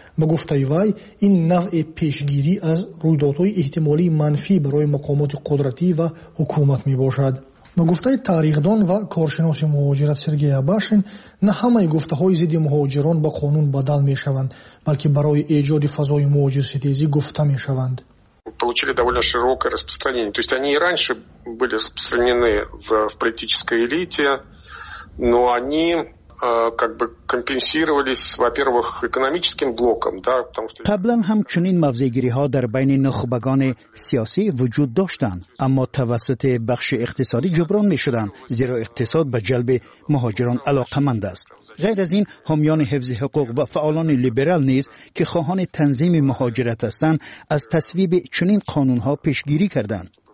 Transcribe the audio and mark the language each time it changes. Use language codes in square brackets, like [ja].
[fa] به گفته وی این نوع پیشگیری از رویدادهای احتمالی منفی برای مقامات قدرتی و حکومت می‌باشد. با گفته تاریخدان و کارشناس مهاجرت سرگئی آباشین، نه همه گفته های ضد مهاجران به قانون بدل می شوند، بلکه برای ایجاد فضای مهاجر ستیزی گفته می شوند. [ru] получили довольно широкое распространение. То есть они и раньше были распространены в политической элите, но они как бы компенсировались, во-первых, экономическим блоком, да, потому что [fa] قبلن همچنین موضع‌گیری‌ها در بین نخبگان سیاسی وجود داشتند، اما توسط بخش اقتصادی جبران می‌شدند، زیرا اقتصاد به جلب مهاجران علاقمند است. غیر از این، حامیان حفظ حقوق و فعالان لیبرال نیز که خواهان تنظیم مهاجرت هستند، از تصویب چنین قانون‌ها پیشگیری کردند.